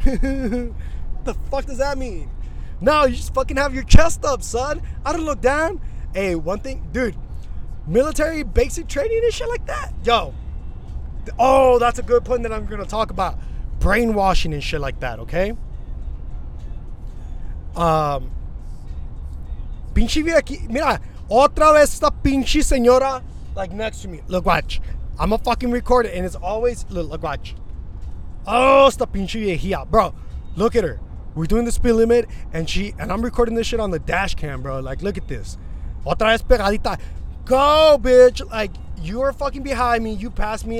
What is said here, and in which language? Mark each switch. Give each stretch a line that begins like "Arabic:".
English: What the fuck does that mean? No, you just fucking have your chest up, son. I don't look down. Hey, one thing, dude. Military basic training and shit like that. Yo. Oh, that's a good point that I'm going to talk about. Brainwashing and shit like that, okay?
Spanish: Pinche vieja aquí. Mira, otra vez esta pinche señora.
English: Like next to me. Look, watch. I'm a fucking recorder and it's always. Look, watch. Oh,
Spanish: esta pinche viejita.
English: Bro, look at her. We're doing the speed limit and she. And I'm recording this shit on the dash cam, bro. Like, look at this.
Spanish: Otra vez pegadita.
English: Go, bitch. Like, you are fucking behind me. You passed me.